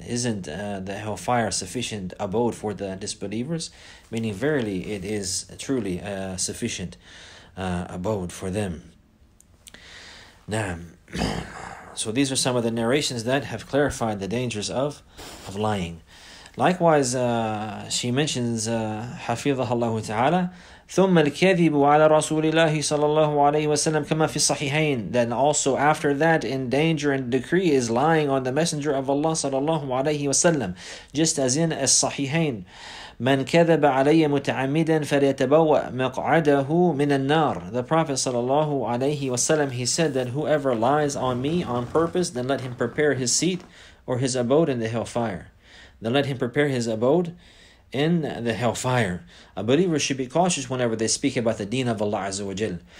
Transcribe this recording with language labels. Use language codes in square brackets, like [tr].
[en] Isn't the hellfire sufficient abode for the disbelievers? Meaning, verily, it is truly a sufficient abode for them. Naam. So these are some of the narrations that have clarified the dangers of lying. Likewise, she mentions, [ar] حفظها الله تعالى, ثم الكذب على رسول الله صلى الله عليه وسلم كما في الصحيحين. [en] Then also after that, in danger and decree, is lying on the Messenger of Allah [ar] صلى الله عليه وسلم, [en] just as in الصحيحين. [ar] من كذب علي متعمدا فليتبوأ مقعده من النار. [en] The Prophet sallallahu alayhi wasallam, he said that whoever lies on me on purpose, then let him prepare his seat or his abode in the hellfire. Then let him prepare his abode in the hellfire. A believer should be cautious whenever they speak about the deen of Allah Azza wa Jal.